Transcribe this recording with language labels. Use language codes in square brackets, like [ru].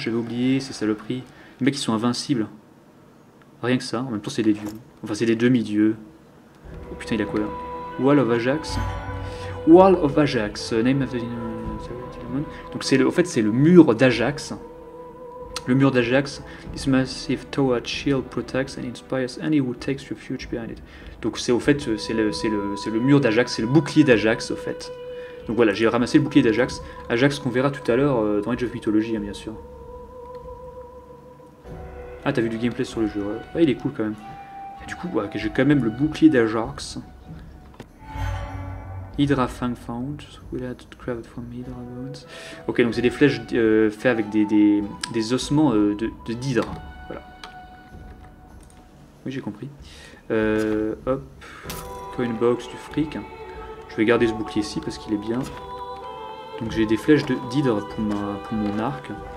[fr] J'avais oublié, ces saloperies. Les mecs, ils sont invincibles. Rien que ça. En même temps, c'est des dieux. Enfin, c'est des demi-dieux. Oh, putain, il a quoi, là? Wall of Ajax. Wall of Ajax. [en] Name of the demon. [fr] Donc, c'est le... en fait, c'est le mur d'Ajax. Le mur d'Ajax. [en] This massive tower shield protects and inspires any who takes refuge behind it. [fr] Donc c'est au fait, c'est le mur d'Ajax, c'est le bouclier d'Ajax au fait. Donc voilà, j'ai ramassé le bouclier d'Ajax. Ajax qu'on verra tout à l'heure dans Age of Mythology, hein, bien sûr. Ah, t'as vu du gameplay sur le jeu. Ouais, il est cool quand même. Et du coup, ouais, j'ai quand même le bouclier d'Ajax. [en] Hydra Fang Found. We had craved from Hydra Bones. [fr] Ok, donc c'est des flèches faites avec des ossements de d'Hydra. Voilà. Oui, j'ai compris. Hop, coin box du fric. Je vais garder ce bouclier-ci parce qu'il est bien. Donc j'ai des flèches d'hydre pour mon arc.